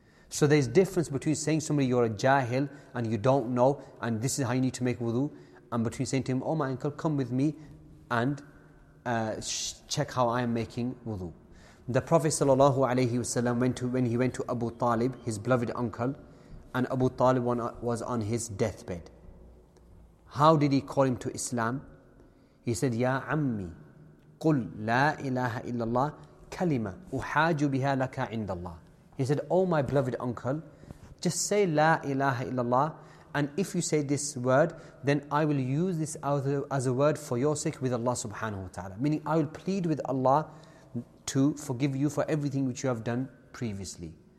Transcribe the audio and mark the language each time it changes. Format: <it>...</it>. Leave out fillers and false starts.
<en>So there's difference between saying to somebody you're a jahil and you don't know and this is how you need to make wudu, and between saying to him, oh my uncle, come with me and check how I am making wudu. The Prophet sallallahu alaihi wasallam went to Abu Talib, his beloved uncle, and Abu Talib was on his deathbed. How did he call him to Islam? He said,</en> <ar>Ya Ammi, قُلْ لَا إِلَهَ إِلَّا اللَّهِ كَلِمَةً أُحَاجُ بِهَا لَكَ عِنْدَ اللَّهِ.</ar> <en>He said, oh my beloved uncle, just say</en> <ar>لَا إِلَهَ إِلَّا اللَّهِ,</ar> <en>and if you say this word, then I will use this as a word for your sake with Allah subhanahu wa ta'ala. Meaning I will plead with Allah to forgive you for everything which you have done previously.</en>